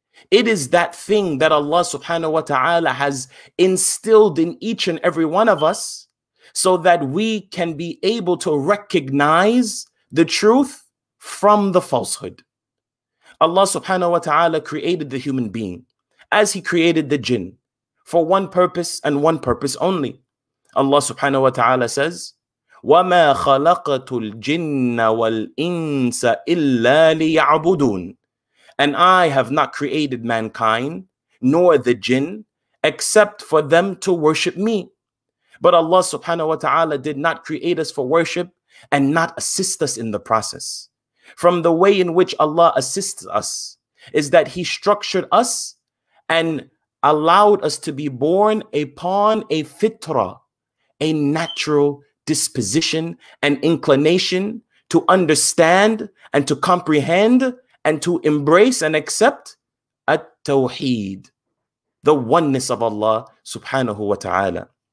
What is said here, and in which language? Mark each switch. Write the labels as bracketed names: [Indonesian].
[English] It is that thing that Allah subhanahu wa ta'ala has instilled in each and every one of us so that we can be able to recognize the truth from the falsehood. Allah subhanahu wa ta'ala created the human being as He created the jinn for one purpose and one purpose only. [Arabic] Allah subhanahu wa ta'ala says, وَمَا خَلَقَتُ الْجِنَّ وَالْإِنسَ إِلَّا لِيَعْبُدُونَ. [English] And I have not created mankind, nor the jinn, except for them to worship me. But Allah subhanahu wa ta'ala did not create us for worship and not assist us in the process. From the way in which Allah assists us is that He structured us and allowed us to be born upon a fitra, a natural disposition and inclination to understand and to comprehend and to embrace and accept at-tawheed, the oneness of Allah subhanahu wa ta'ala.